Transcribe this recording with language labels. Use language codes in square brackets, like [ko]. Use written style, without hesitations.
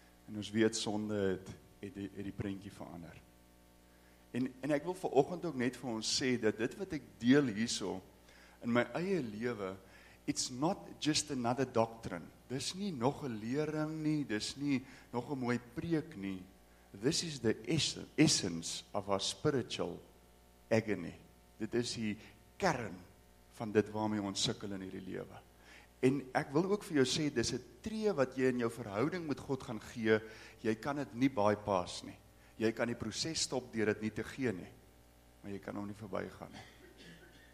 [af] En ons weet sonde het die prentjie verander. En ek wil vanoggend ook net vir ons sê dat dit wat ek deel hierso in my eie lewe, [en] it's not just another doctrine. [af] Dis nie nog 'n lering nie, dis nie nog 'n mooi preek nie. [en] This is the essence of our spiritual agony. [af] Dit is die kern van dit waarmee ons sukkel in hierdie lewe. En ek wil ook vir jou sê, dis 'n tree wat jy in jou verhouding met God gaan gee, jy kan dit nie bypass nie. Jy kan die proses stop deur dit nie te gee nie, maar jy kan hom nie verbygaan nie.